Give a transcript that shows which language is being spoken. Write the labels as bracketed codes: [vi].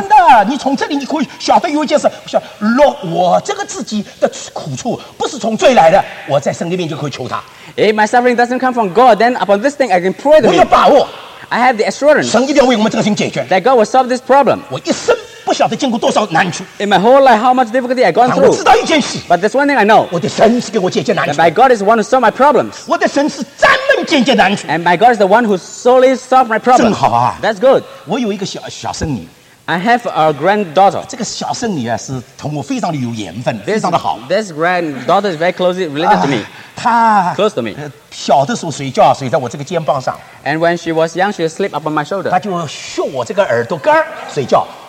[zh] 真的，你从这里你可以晓得有一件事，说若我这个自己的苦处不是从罪来的，我在神的面前可以求他。 [en] If my suffering doesn't come from God, then upon this thing I can pray to him. [zh] 我有把握。 [en] I have the assurance. [zh] 神一定要为我们这个事解决。 [en] That God will solve this problem. [zh] 我一生。不晓得经过多少难处。 [en] In my whole life, how much difficulty I gone through. [zh] 我知道一件事。 [en] But there's one thing I know. [zh] 我的神是给我解决难处。 [en] And my God is the one who solved my problems. [zh] 我的神是专门解决难处。 [en] And my God is the one who solely solved my problems. [zh] 正好啊。 [en] That's good. [zh] 我有一个小孙女。 [en] I have a granddaughter. [zh] 这个小孙女啊，是同我非常的有缘分，非常的好。 [en] This granddaughter is very closely related to me. [zh] 她 [en] close to me. [zh] 小的时候睡觉睡在我这个肩膀上。 [en] And when she was young, she sleep up on my shoulder. [zh] 她就嗅我这个耳朵根睡觉。